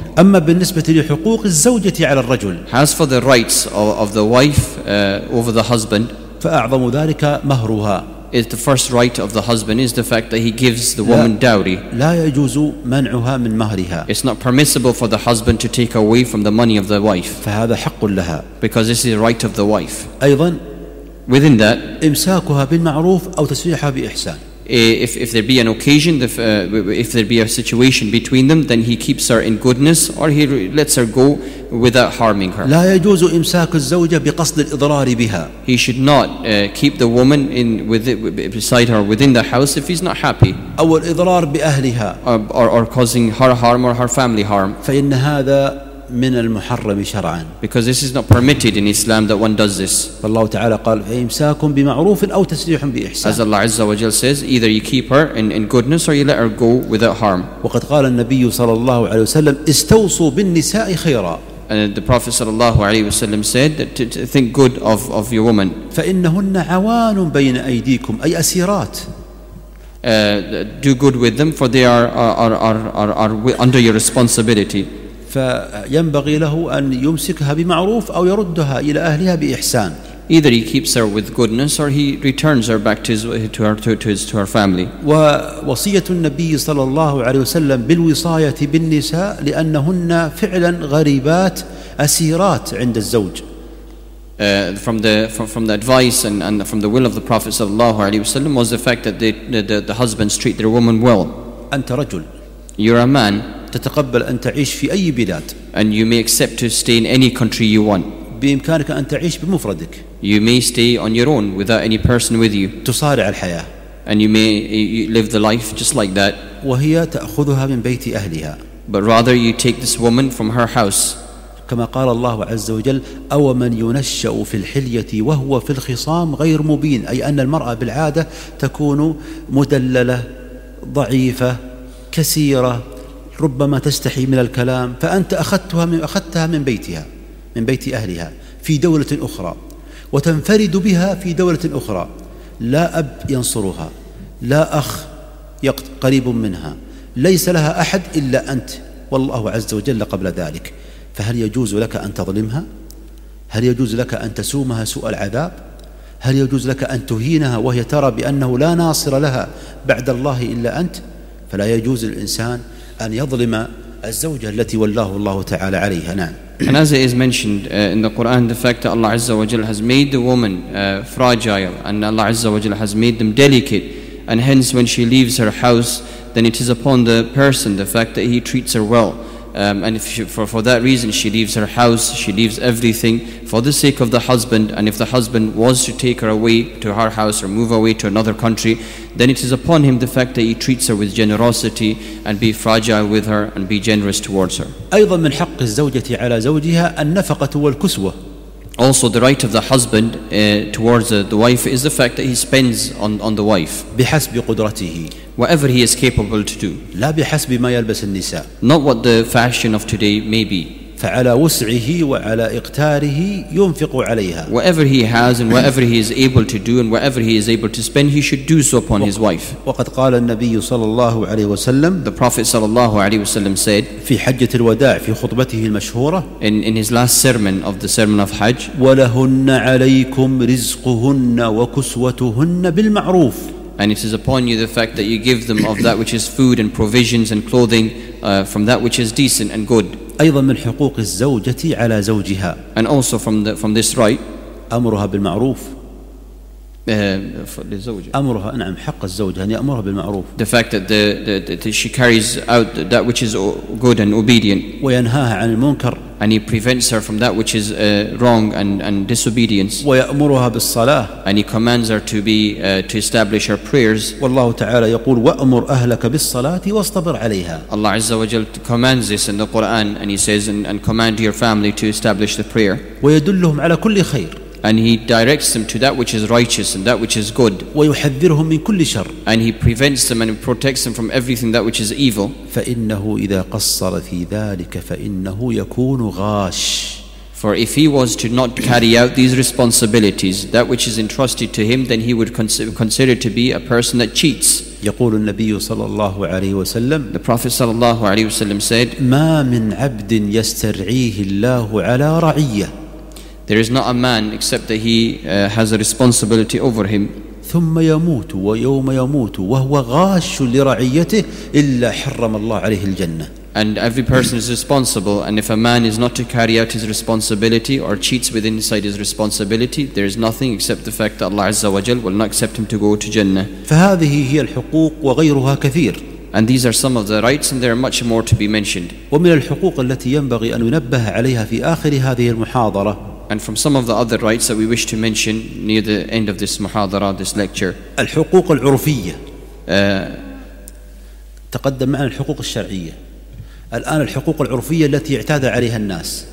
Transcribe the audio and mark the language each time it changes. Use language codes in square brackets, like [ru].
[ar] أما بالنسبة لحقوق الزوجة على الرجل. [en] As for the rights of the wife over the husband. [ar] فأعظم ذلك مهرها. [en] Is the first right of the husband is the fact that he gives the woman dowry. [ar] لا يجوز منعها من مهرها. [en] It's not permissible for the husband to take away from the money of the wife. [ar] فهذا حق لها. [en] Because this is the right of the wife. [ar] أيضا. [en] Within that, [ar] إمساكها بالمعروف أو تسريحها بإحسان. [en] If there be an occasion, if there be a situation between them, then he keeps her in goodness or he lets her go without harming her. [ar] لا يجوز إمساك الزوجة بقصد الإضرار بها. [en] He should not keep the woman beside her within the house if he's not happy. [ar] أو الإضرار بأهلها. [en] Or causing her harm or her family harm. [ar] فإن هذا من المحرم شرعا. [en] Because this is not permitted in Islam that one does this. [ar] فالله تعالى قال فإمساكم بمعروف أو تسريح بإحسان. [en] As Allah [ar] عز وجل [en] says, either you keep her in goodness or you let her go without harm. [ar] وقد قال النبي صلى الله عليه وسلم استوصوا بالنساء خيرا. [en] And the Prophet [ar] صلى الله عليه وسلم [en] said that to think good of your woman. [ar] فإنهن عوان بين أيديكم أي أسيرات. [en] Do good with them for they are under your responsibility. [ar] فينبغي له أن يمسكها بمعروف أو يردها إلى أهلها بإحسان. [en] Either he keeps her with goodness or he returns her back to her family. [ar] ووصية النبي صلى الله عليه وسلم بالوصاية بالنساء لأنهن فعلا غريبات أسيرات عند الزوج. [en] From the advice and from the will of the Prophet [ar] صلى الله عليه وسلم [en] was the fact that the husbands treat their woman well. [ar] أنت رجل. [en] You're a man. [ar] تتقبل أن تعيش في أي بلاد. [en] And you may accept to stay in any country you want. [ar] بإمكانك أن تعيش بمفردك. [en] You may stay on your own without any person with you. [ar] تصارع الحياة. [en] And you may live the life just like that. [ar] وهي تأخذها من بيت أهلها. [en] But rather you take this woman from her house. [ar] كما قال الله عز وجل أو من ينشأ في الحلية وهو في الخصام غير مبين أي أن المرأة بالعادة تكون مدللة ضعيفة كثيرة ربما تستحي من الكلام فأنت أخذتها من بيتها من بيت أهلها في دولة أخرى وتنفرد بها في دولة أخرى لا أب ينصرها لا أخ قريب منها ليس لها أحد إلا أنت والله عز وجل قبل ذلك فهل يجوز لك أن تظلمها؟ هل يجوز لك أن تسومها سوء العذاب؟ هل يجوز لك أن تهينها وهي ترى بأنه لا ناصر لها بعد الله إلا أنت؟ فلا يجوز الإنسان أن يظلم الزوجة التي ولاه الله تعالى عليها نعم. [en] And as it is mentioned in the Quran, the fact that Allah Azza wa Jalla has made the woman fragile, and Allah Azza wa Jalla has made them delicate, and hence when she leaves her house, then it is upon the person the fact that he treats her well, and if she, for that reason she leaves her house, she leaves everything for the sake of the husband, and if the husband was to take her away to her house or move away to another country. Then it is upon him the fact that he treats her with generosity and be fragile with her and be generous towards her. [ar] أيضا من حق الزوجة على زوجها النفقة والكسوة. [en] Also, the right of the husband towards the wife is the fact that he spends on the wife. [ar] بحسب قدرته. [en] Whatever he is capable to do. [ar] لا بحسب ما يلبس النساء. [en] Not what the fashion of today may be. [ar] فعلى وسعه وعلى اقتاره ينفق عليها. [en] Whatever he has and whatever he is able to do and whatever he is able to spend, he should do so upon his wife. [ar] وقد قال النبي صلى الله عليه وسلم. [en] The Prophet [ar] صلى الله عليه وسلم [en] said. [ar] في حجة الوداع في خطبته المشهورة. [en] In his last sermon of the sermon of Hajj. [ar] ولهن عليكم رزقهن وكسوتهن بالمعروف. [en] And it is upon you the fact that you give them of that which is food and provisions and clothing from that which is decent and good. [ar] أيضا من حقوق الزوجة على زوجها. [en] And also from this right. [ar] أمرها بالمعروف. للزوجة. أمرها نعم حق الزوجة أن يأمرها بالمعروف. [en] The fact that that she carries out that which is good and obedient. [ar] وينهاها عن المنكر. [en] And he prevents her from that which is wrong and disobedience. [ar] ويأمرها بالصلاة. [en] And he commands her to be to establish her prayers. [ar] والله تعالى يقول وأمر أهلك بالصلاة واصطبر عليها. [en] Allah [ar] عز وجل [en] commands this in the Quran, and he says and command your family to establish the prayer. [ar] ويدلهم على كل خير. [en] And he directs them to that which is righteous and that which is good. [ar] ويحذرهم من كل شر. [en] And he prevents them and protects them from everything that which is evil. [ar] فإنه إذا قصر في ذلك فإنه يكون غاش. [en] For if he was to not carry out these responsibilities, that which is entrusted to him, then he would consider to be a person that cheats. [ar] يقول النبي صلى الله عليه وسلم. [en] The Prophet [ar] صلى الله عليه وسلم [en] said. [ar] ما من عبد يسترعيه الله على رعية. [en] There is not a man except that he has a responsibility over him. [ar] ثم يموت ويوم يموت وهو غاش لرعيته إلا حرم الله عليه الجنة. [en] And every person is responsible, and if a man is not to carry out his responsibility or cheats within inside his responsibility, there is nothing except the fact that Allah Azza wa Jal will not accept him to go to Jannah. [ar] فهذه هي الحقوق وغيرها كثير. [en] And these are some of the rights, and there are much more to be mentioned. [ar] ومن الحقوق التي ينبغي أن ننبه عليها في آخر هذه المحاضرة. [en] And from some of the other rights that we wish to mention near the end of this muhadara, this lecture. [ar] الحقوق العرفية. تقدم معنا الحقوق الشرعية. الآن الحقوق العرفية التي اعتاد عليها الناس.